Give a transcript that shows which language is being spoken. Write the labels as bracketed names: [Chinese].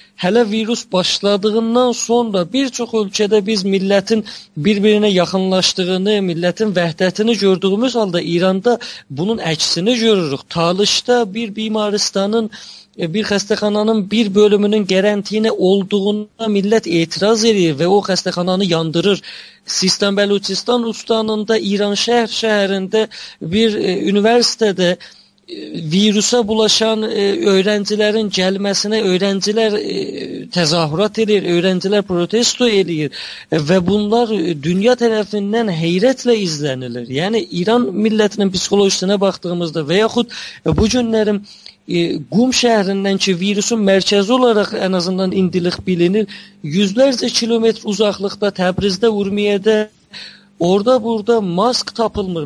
[Azerbaijani] Hələ virus başladığından sonra bir çox ölkədə biz millətin bir-birinə yaxınlaşdığını, millətin vəhdətini gördüyümüz halda İranda bunun əksini görürük. Talışda bir bimaristanın bir xəstəxananın bir bölümünün qarantinə olduğuna millət etiraz edir və o xəstəxananı yandırır. Sistan Bəlucistan ustanında İran şəhərində bir universitetdə virusa bulaşan [Turkish] öğrencilerin gelmesine öğrenciler tezahürat edir, öğrenciler protesto edir ve bunlar dünya tarafından heyretle izlenilir. Yani İran milletinin psikolojisine baktığımızda veyahut bu günlerim [Azerbaijani] Qum şəhərindən ki, virusun mərkəzi olaraq ən azından indilik bilinir, yüzlərcə kilometr uzaqlıqda Təbrizdə, Urmiyədə, orada burada mask tapılmır.